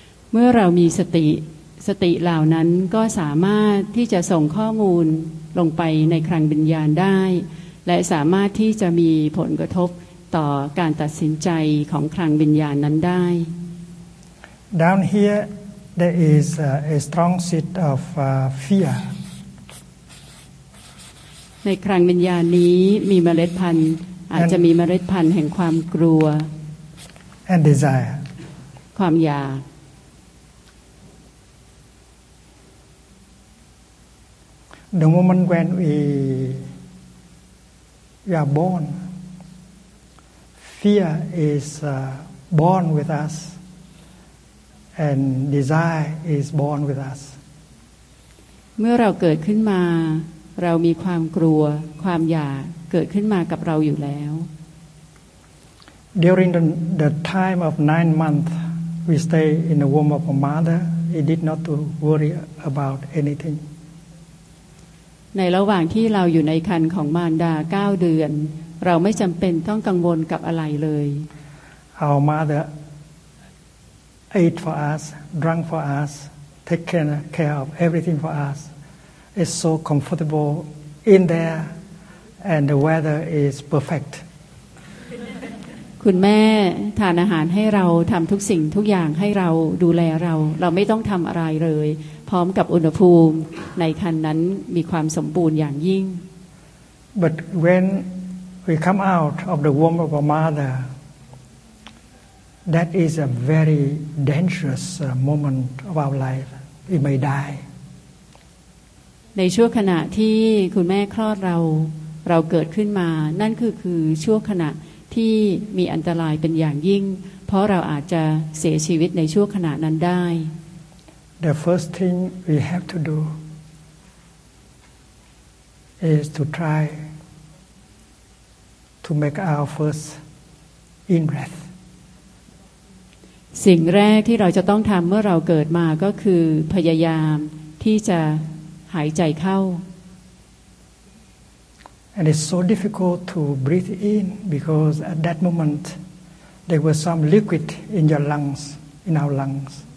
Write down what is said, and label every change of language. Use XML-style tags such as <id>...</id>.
<th>เมื่อเรามีสติเหล่านั้นก็สามารถที่จะส่งข้อมูลลงไปในคลังวิญญาณได้และสามารถที่จะมีผลกระทบต่อการตัดสินใจของคลังวิญญาณนั้นได้</th> <en>Down here there is a strong seat of fear</en> <th>ในคลังวิญญาณนี้มีเมล็ดพันธุ์อาจจะมีเมล็ดพันธุ์แห่งความกลัว</th> <en>and desire</en> <th>ความอยาก ดังนั้นมันแวนวี</th> <en>We are born. Fear is born with us, and desire is born with us.</en> <th>เมื่อเราเกิดขึ้นมาเรามีความกลัวความอยากเกิดขึ้นมากับเราอยู่แล้ว</th> <en>During the time of 9 months, we stay in the womb of a mother. He did not to worry about anything.</en> <th>ในระหว่างที่เราอยู่ในครรภ์ของมารดา9 เดือนเราไม่จำเป็นต้องกังวลกับอะไรเลย</th> <en>Our mother ate for us, drank for us, taken care of everything for us. It's so comfortable in there, and the weather is perfect.</en> <th>คุณแม่ทานอาหารให้เราทำทุกสิ่งทุกอย่างให้เราดูแลเราเราไม่ต้องทำอะไรเลยพร้อมกับอุณหภูมิในครรภ์นั้นมีความสมบูรณ์อย่างยิ่ง</th> <en>But when we come out of the womb of our mother that is a very dangerous moment of our life we may die</en> <th>ในช่วงขณะที่คุณแม่คลอดเราเกิดขึ้นมานั่นคือช่วงขณะที่มีอันตรายเป็นอย่างยิ่งเพราะเราอาจจะเสียชีวิตในช่วงขณะนั้นได้</th> <en>The first thing we have to do is to try to make our first in-breath.</en> <th>สิ่งแรกที่เราจะต้องทำเมื่อเราเกิดมาก็คือพยายามที่จะหายใจเข้า</th> <en>And it's so difficult to breathe in because at that moment there was some liquid in your lungs, in our lungs.</en>